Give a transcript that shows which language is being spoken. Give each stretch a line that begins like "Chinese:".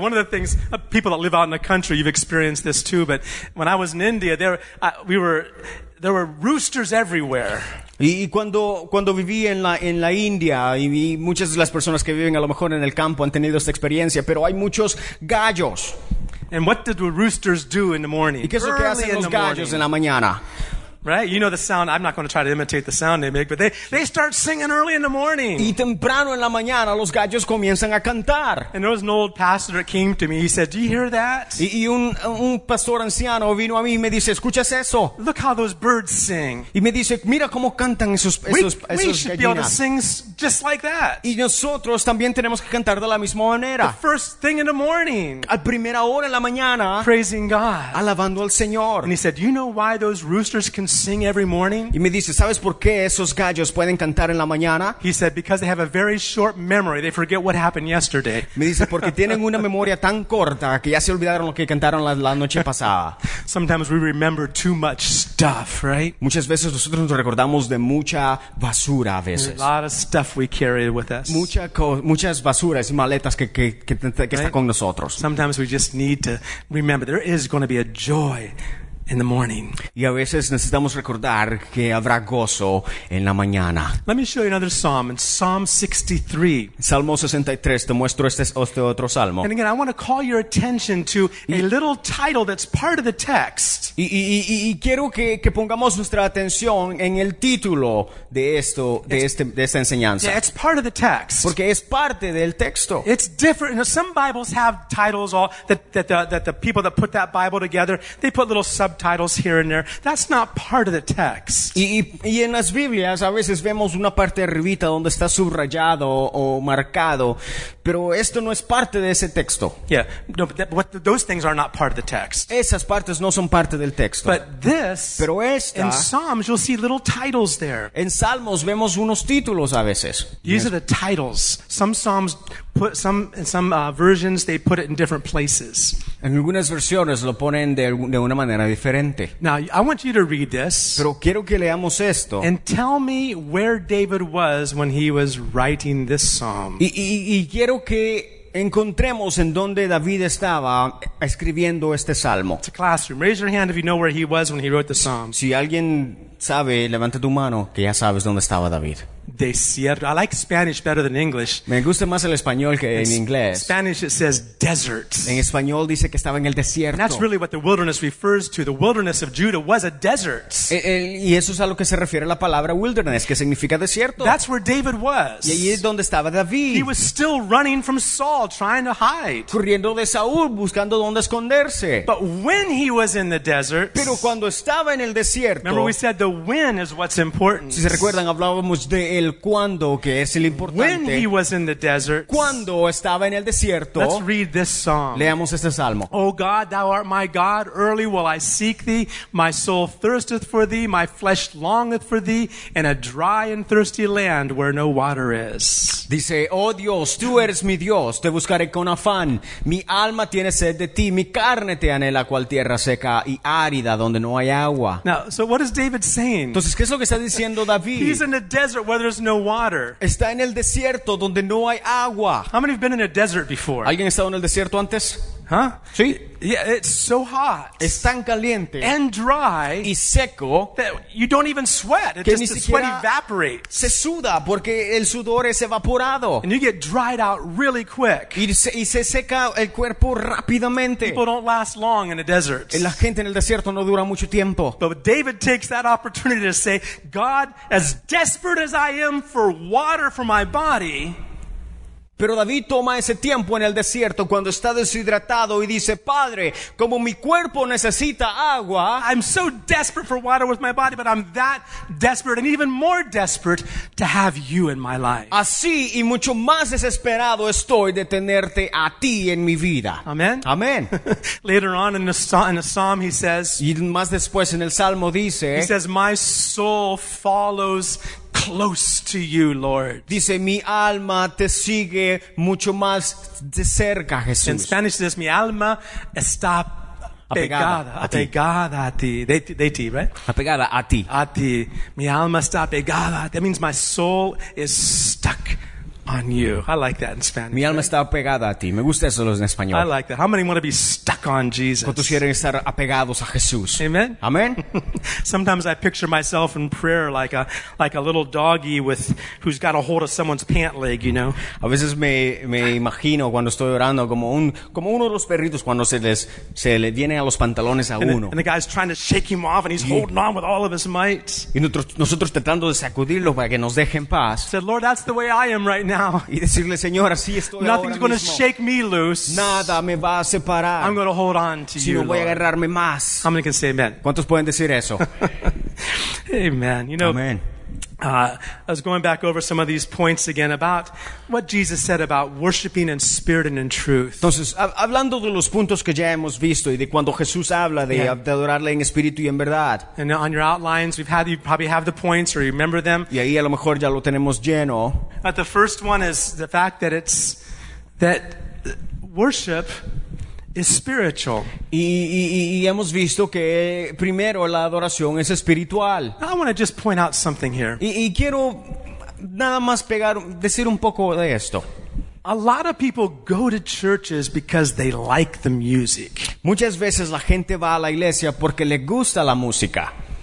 English: One of the things, people that live out in the country, you've experienced this too. But when I was in India, there were roosters everywhere.
Spanish: Y cuando viví en la India, y muchas de las personas que viven a lo mejor en el campo han tenido esta experiencia, pero hay muchos gallos.
English: And what did the roosters do in the morning?
Spanish: ¿Y qué es lo que hacen los gallos en la mañana?
English: Right? You know the sound. I'm not going to try to imitate the sound they make, but they start singing early in the morning.
Spanish: Y temprano en la mañana los gallos comienzan a cantar.
English: And there was an old pastor that came to me. He said, "Do you hear that?"
Spanish: Y un pastor anciano vino a mí y me dice, "¿Escuchas eso?"
English: Look how those birds sing.
Spanish: Y me dice, "Mira cómo cantan esos gallinas."
English: We should be able to sing just like that.
Spanish: Y nosotros también tenemos que cantar de la misma manera.
English: The first thing in the morning.
Spanish: A primera hora en la mañana.
English: Praising God.
Spanish: Alabando al Señor.
English: And he said, "You know why those roosters can sing every morning?"
Spanish: Y me dice, ¿sabes por qué esos gallos pueden cantar en la mañana?
English: He said, "Because they have a very short memory. They forget what happened yesterday."
Spanish: Me dice, porque tienen una memoria tan corta que ya se olvidaron lo que cantaron la noche pasada.
English: Sometimes we remember too much stuff, right?
Spanish: Muchas veces nosotros nos recordamos de mucha basura a veces.
English: A lot of stuff we carry with us.
Spanish: Muchas basuras y maletas que
English: right?
Spanish: Está con nosotros.
English: Sometimes we just need to remember there is going to be a joy in the morning.
Spanish: Y a veces necesitamos recordar que habrá gozo en la mañana.
English: Let me show you another psalm. In Psalm 63.
Spanish: Salmo 63. Te muestro este otro salmo.
English: And again, I want to call your attention to a little title that's part of the text.
Spanish: Y quiero que pongamos nuestra atención en el título de esto, de esta enseñanza.
English: Yeah, it's part of the text.
Spanish: Porque es parte del texto.
English: It's different. You know, some Bibles have titles all that the people that put that Bible together, they put little subtitles here and there. That's not part of the text.
Spanish: Y en las Biblias a veces vemos una parte arribita donde está subrayado o marcado, pero esto no es parte de ese texto.
English: Yeah, no, those things are not part of the text.
Spanish: Esas partes no son parte del texto.
English: But this,
Spanish: pero esta,
English: in Psalms you'll see little titles there.
Spanish: En Salmos vemos unos títulos a veces.
English: These are the titles. Some Psalms put some versions they put it in different places.
Spanish: En algunas versiones lo ponen de una manera diferente.
English: Now, I want you to read this.
Spanish: Pero quiero que leamos esto.
English: And tell me where David was when he was writing this psalm.
Spanish: Y quiero que encontremos en donde David estaba escribiendo este salmo.
English: It's a classroom. Raise your hand if you know where he was when he wrote the psalm.
Spanish: Si alguien sabe, levanta tu mano que ya sabes dónde estaba David.
English: Desierto. I like Spanish better than English.
Spanish: Me gusta más el español que en inglés.
English: Spanish it says desert.
Spanish: En español dice que estaba en el desierto.
English: And that's really what the wilderness refers to. The wilderness of Judah was a desert.
Spanish: Y eso es a lo que se refiere la palabra wilderness, que significa desierto.
English: That's where David was.
Spanish: Y ahí es donde estaba David.
English: He was still running from Saul, trying to hide.
Spanish: Corriendo de Saúl, buscando dónde esconderse.
English: But when he was in the desert.
Spanish: Pero cuando estaba en el desierto.
English: Remember we said the when is what's important.
Spanish: Si se recuerdan, hablábamos de el cuándo que es el importante.
English: When he was in the desert,
Spanish: cuando estaba en el desierto.
English: Let's read this psalm.
Spanish: Leamos este salmo.
English: Oh God, thou art my God, early will I seek thee. My soul thirsteth for thee, my flesh longeth for thee, in a dry and thirsty land where no water is.
Spanish: Dice, oh Dios, tú eres mi Dios, te buscaré con afán. Mi alma tiene sed de ti, mi carne te anhela cual tierra seca y árida donde no hay agua.
English: Now, so what is David saying?
Spanish: Entonces, ¿qué es lo que está diciendo David?
English: He's in the desert where there's no water.
Spanish: Está en el desierto donde no hay agua.
English: How many have been in a desert before?
Spanish: ¿Alguien ha estado en el desierto antes? Huh? Sí.
English: Yeah, it's so hot.
Spanish: Es tan caliente.
English: And dry.
Spanish: Y seco.
English: That you don't even sweat. It just the sweat evaporates.
Spanish: Se suda porque el sudor es evaporado.
English: And you get dried out really quick.
Spanish: Y se seca el cuerpo rápidamente.
English: People don't last long in a desert.
Spanish: La gente en el desierto no dura mucho tiempo.
English: But David takes that opportunity to say, God, as desperate as I am for water for my body.
Spanish: Pero David toma ese tiempo en el desierto cuando está deshidratado y dice, Padre, como mi cuerpo necesita agua,
English: I'm so desperate for water with my body, but I'm that desperate and even more desperate to have you in my life.
Spanish: Así y mucho más desesperado estoy de tenerte a ti en mi vida.
English: Amen.
Spanish: Amen.
English: Later on in the psalm he says,
Spanish: y más después en el salmo dice,
English: he says, my soul follows close to you, Lord.
Spanish: Dice, mi alma te sigue mucho más de cerca, Jesús.
English: In Spanish, says,
Spanish: mi alma está apegada a ti. De ti,
English: right?
Spanish: Apegada a ti. A ti. Mi alma está apegada.
English: That means my soul is stuck on you. I like that in Spanish.
Spanish: Mi alma está apegada a ti.
English: Me gusta eso en español. I like that. How many want to be stuck on Jesus?
Spanish: ¿Cuántos quieren estar apegados a Jesús?
English: Amen.
Spanish: Amen.
English: Sometimes I picture myself in prayer like a little doggy who's got a hold of someone's pant leg, you know.
Spanish: A veces me imagino cuando estoy orando como uno de los perritos cuando se le viene a los pantalones a uno.
English: And the guy's trying to shake him off, and he's holding on with all of his might.
Spanish: Y nosotros tratando de sacudirlo para que nos deje en paz.
English: Said, Lord, that's the way I am right now.
Spanish: Y decirle, Señor, así estoy.
English: Nothing's going
Spanish: mismo.
English: To shake me loose.
Spanish: Nada me va a separar.
English: I'm going to hold on to
Spanish: sino
English: you.
Spanish: Voy a agarrarme más.
English: How many can say amen?
Spanish: ¿Cuántos pueden decir eso?
English: Amen. You know,
Spanish: amen.
English: I was going back over some of these points again about what Jesus said about worshiping in spirit and in truth.
Spanish: Entonces, hablando de los puntos que ya hemos visto y de cuando Jesús habla de adorarle en espíritu y en verdad.
English: And on your outlines, you probably have the points or you remember them.
Spanish: Y ahí a lo mejor ya lo tenemos lleno.
English: But the first one is the fact that it's that worship is spiritual.
Spanish: Y hemos visto que primero la adoración es espiritual.
English: Now I want to just point out something here.
Spanish: Y quiero nada más decir un poco de esto.
English: A lot of people go to churches because they like the music.
Spanish: Muchas veces la gente va a la iglesia porque le gusta la música.